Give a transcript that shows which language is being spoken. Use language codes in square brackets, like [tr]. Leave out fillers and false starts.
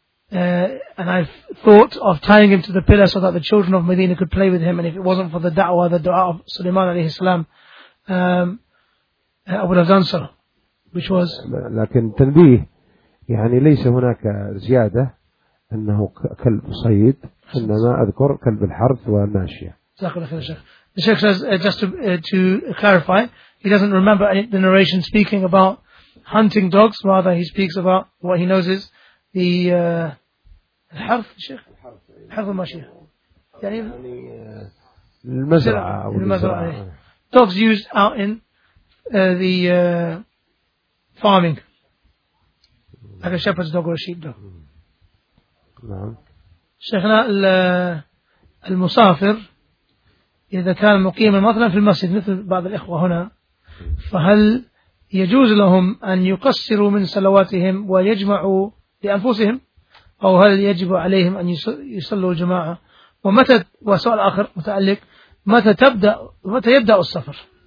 [en] And I thought of tying him to the pillar so that the children of Medina could play with him, and if it wasn't for the da'wah, the du'a of Sulaiman alayhi salam, I would have done so, which was... [ar] لكن تنبيه يعني ليس هناك زيادة أنه كلب صيد إنما أذكر كلب الحرث والماشية. [en] The Sheikh says, just to clarify, he doesn't remember the narration speaking about hunting dogs, rather he speaks about what he knows is the الحرث. [ar] Sheikh, الحرث والماشية يعني المزرعة والزراعة. [en] Dogs used out in the farming, like a shepherd's dog or a sheep dog. [ar] نعم. شيخنا المسافر إذا كان مقيما مثلا في المسجد مثل بعض الإخوة هنا فهل يجوز لهم أن يقصروا من صلواتهم ويجمعوا لأنفسهم أو هل يجب عليهم أن يصلوا الجماعة ومتى وسؤال آخر متعلق متى يبدأ السفر؟